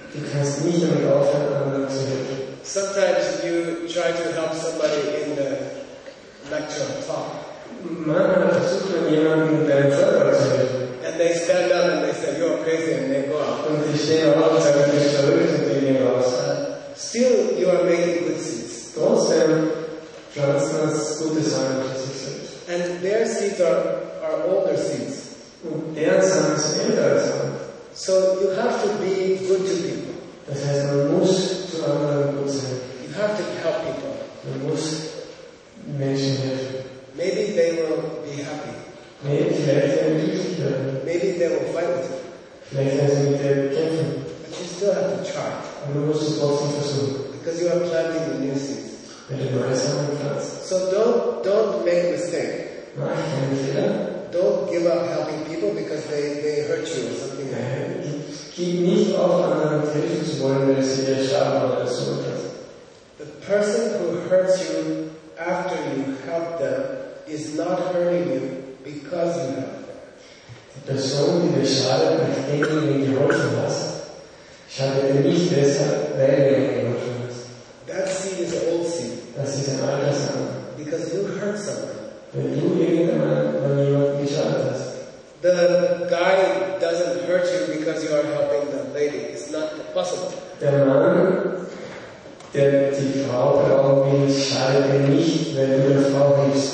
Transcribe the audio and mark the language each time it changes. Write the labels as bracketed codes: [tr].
[de] Du kannst nicht damit aufhören, anderen zu helfen. [en] Sometimes you try to help somebody in the lecture talk. [de] Manchmal versucht man jemanden in deinem Vortrag zu helfen. [en] And they stand up and they say, "You're crazy," and they go out. [de] Und sie stehen auf und sagen, du bist verrückt, und gehen raus. [en] Still, you are making good seeds. [de] Trotzdem pflanzt man gute Samen für sich selbst. [en] And their seeds are older seeds. [de] Und deren Samen sind ältere Samen. [en] So you have to be good to people. [de] Das heißt, man muss zu anderen gut sein. [en] You have to help people. [de] Man muss Menschen helfen. [en] Maybe they will be happy. Maybe [de] vielleicht werden sie glücklich werden. [en] Maybe they will fight with you. [de] Vielleicht werden sie mit dir kämpfen. [en] But you still have to try. [de] Und du musst es trotzdem versuchen. [en] Because you are planting the new seeds. [de] Wenn du neue Samen pflanzt. [en] So don't make mistakes. [de] Mach keine Fehler. [en] don't give up helping people because they hurt you or something like that. [de] Keep nicht auf anderen helfen zu wollen, wenn sie dir schaden oder so etwas. [en] The person who hurts you after you help them is not hurting you because you help them. [de] Die Person, die dir schadet, nachdem du ihnen geholfen hast, schadet dir nicht deshalb, weil du ihnen geholfen hast. [en] That seed is old seed. [de] Das ist ein alter Samen. [en] Because you hurt someone. [de] Wenn du irgendjemand geschadet hast. [en] The guy doesn't hurt you because you are helping the lady. It's not possible. [de] Der Mann, der die Frau braucht, schadet dir nicht, wenn du der Frau hilfst.